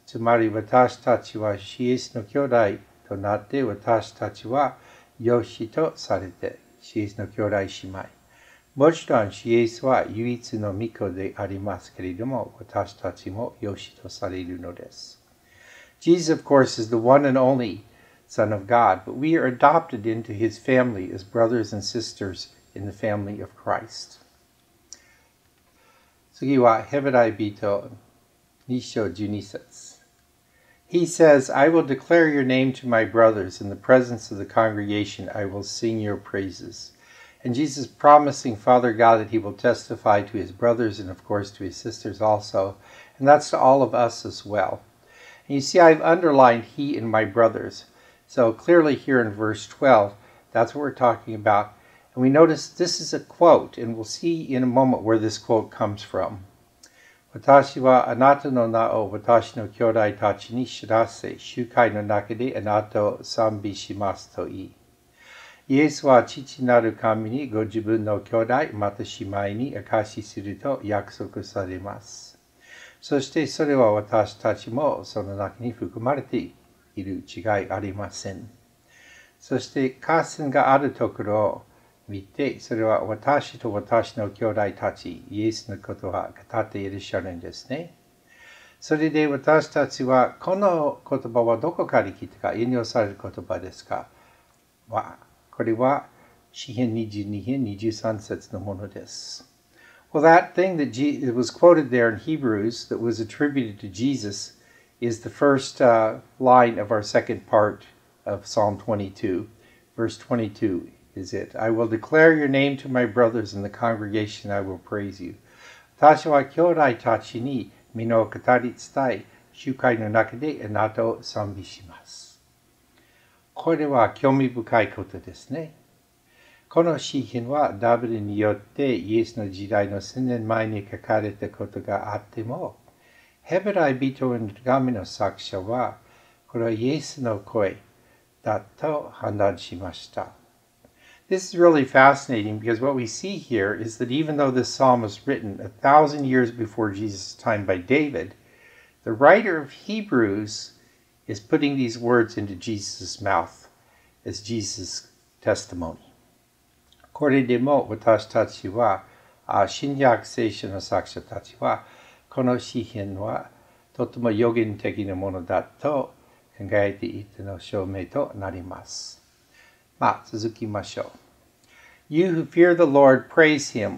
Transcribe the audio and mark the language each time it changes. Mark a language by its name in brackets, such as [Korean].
[Japanese] つまり私たちはイエスの兄弟となって私たちは養子とされてイエスの兄弟姉妹。もちろんイエスは唯一の御子でありますけれども私たちも養子とされるのです。 [English] Jesus of course is the one and only Son of God, but we are adopted into his family as brothers and sisters in the family of Christ. [Japanese] 次はヘブライ人 [English] He says, I will declare your name to my brothers. In the presence of the congregation, I will sing your praises. And Jesus promising Father God that he will testify to his brothers and of course to his sisters also. And that's to all of us as well. And you see, I've underlined he and my brothers. So clearly here in verse 12, that's what we're talking about. And we notice this is a quote, and we'll see in a moment where this quote comes from. [Japanese] 私はあなたの名を私の兄弟たちに知らせ、集会の中であなたを賛美しますと言い。イエスは父なる神にご自分の兄弟、また姉妹に明かしすると約束されます。そしてそれは私たちもその中に含まれている違いありません。そして合戦があるところを見て、それは私と私の兄弟たち、イエスのことは語っていらっしゃるんですね。それで私たちは、この言葉はどこから来たか、引用される言葉ですか。まあ、これは、詩編22編23節のものです。 [English] Well, that thing that it was quoted there in Hebrews that was attributed to Jesus is the first line of our second part of Psalm 22, verse 22. Is it? I will declare your name to my brothers in the congregation. I will praise you. [Japanese] 私は兄弟たちに身の語り伝え、集会の中であなたを賛美します。これは興味深いことですね。この詩編はダビデによってイエスの時代の千年前に書かれたことがあっても、ヘブライ人の手紙の作者は、これはイエスの声だと判断しました。 [English] This is really fascinating because what we see here is that even though this psalm was written 1,000 years before Jesus' time by David, the writer of Hebrews is putting these words into Jesus' mouth as Jesus' testimony. [Japanese] これでも私たちは、新約聖書の作者たちは、この詩編はとても預言的なものだと考えていたの証明となります。まあ、続きましょう。 [English] You who fear the Lord, praise him.